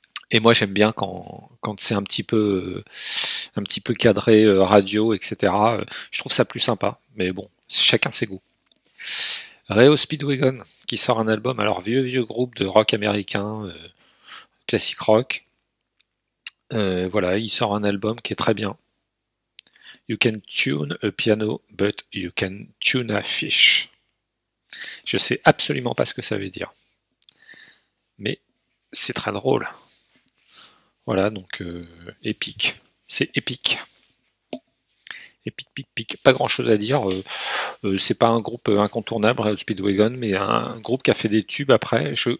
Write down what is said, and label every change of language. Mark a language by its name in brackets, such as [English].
[French] Et moi, j'aime bien quand c'est un petit peu cadré, radio, etc. Je trouve ça plus sympa. Mais bon, chacun ses goûts. Rao Speedwagon, qui sort un album. Alors, vieux groupe de rock américain, classique rock. Voilà, il sort un album qui est très bien. [English] You can tune a piano, but you can tune a fish. [French] Je sais absolument pas ce que ça veut dire. Mais c'est très drôle. Voilà, donc épique. C'est épique. Épique, pique, pique. Pas grand-chose à dire. C'est pas un groupe incontournable, Rao Speedwagon, mais un groupe qui a fait des tubes après.